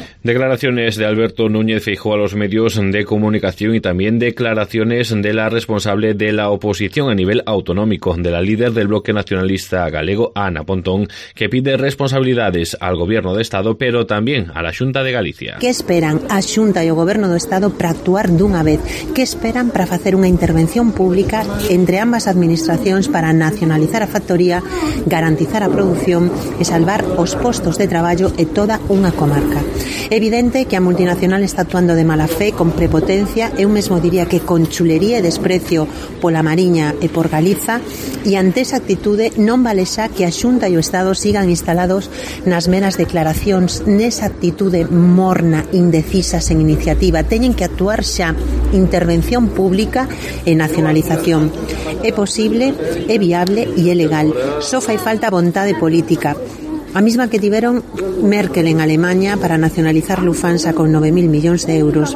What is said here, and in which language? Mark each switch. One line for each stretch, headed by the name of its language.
Spanish: Declaraciones de Alberto Núñez Feijóo a los medios de comunicación y también declaraciones de la responsable de la oposición a nivel autonómico, de la líder del bloque nacionalista galego, Ana Pontón, que pide responsabilidades al Gobierno de Estado, pero también a la Xunta de Galicia.
Galician: ¿Qué esperan a Xunta y o Gobierno de Estado para actuar dunha vez? ¿Qué esperan para facer unha intervención pública entre ambas administracións para nacionalizar a factoría, garantizar a producción e salvar os postos de traballo e toda unha comarca? Evidente que a multinacional está actuando de mala fe, con prepotencia, eu mesmo diría que con chulería e desprecio pola Mariña e por Galiza, e ante esa actitude non vale xa que a Xunta e o Estado sigan instalados nas meras declaracións, nesa actitude morna, indecisa, sen iniciativa. Teñen que actuar xa, intervención pública e nacionalización. É posible, é viable e é legal. Só fai falta vontade política. A mesma que tiveron Merkel en Alemania para nacionalizar Lufthansa con 9.000 millóns de euros.